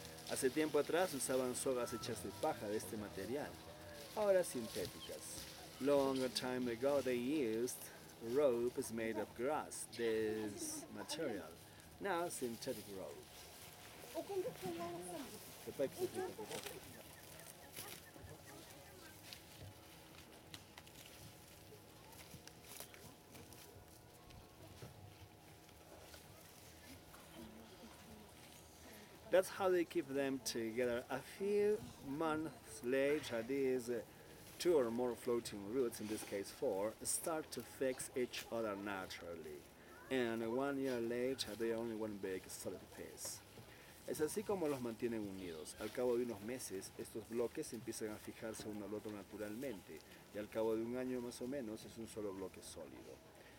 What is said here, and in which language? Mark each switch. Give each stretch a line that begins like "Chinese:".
Spanish: Hace tiempo atrás usaban sogas hechas de paja de este material, ahora sintéticas.
English: Long time ago they used ropes made of grass, this material. Now synthetic ropes. That's how they keep them together. A few months later, these 2 or more floating roots, in this case 4, start to fix each other naturally. And 1 year later, they are only one big solid piece.
Spanish: Es así como los mantienen unidos. Al cabo de unos meses, estos bloques empiezan a fijarse uno al otro naturalmente. Y al cabo de 1 año más o menos, es un solo bloque sólido.